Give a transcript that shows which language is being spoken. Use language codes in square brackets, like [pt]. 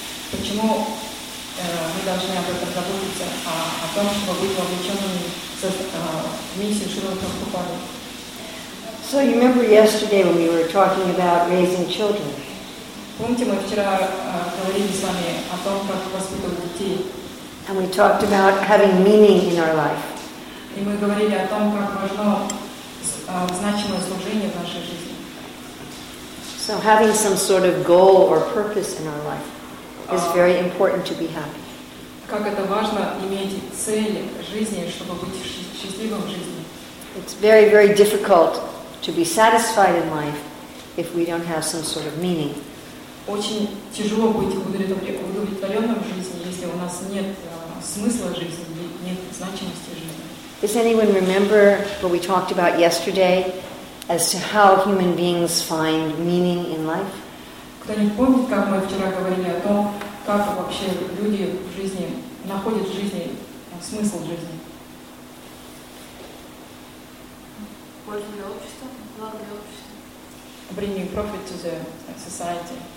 [ru] Почему мы должны об этом заботиться, о том, чтобы быть вовлеченными в миссию Шрила Прабхупады? [en] So you remember yesterday when we were talking about raising children? [ru] Помните, мы вчера говорили с вами о том, как воспитывать детей? [en] And we talked about having meaning in our life. [ru] И мы говорили о том, как важно значимое служение в нашей жизни. [en] So having some sort of goal or purpose in our life. It's very important to be happy. [ru] Как это важно иметь цели в жизни, чтобы быть счастливым в жизни. [en] It's very, very difficult to be satisfied in life if we don't have some sort of meaning. [ru] Очень тяжело быть удовлетворенным в жизни, если у нас нет смысла жизни, нет значимости жизни. [en] Does anyone remember what we talked about yesterday as to how human beings find meaning in life? [ru] Кто не помнит, как мы вчера говорили о том, как вообще люди в жизни находят в жизни смысл жизни? Польза для общества, благо для общества. [en] Bringing profit to the society.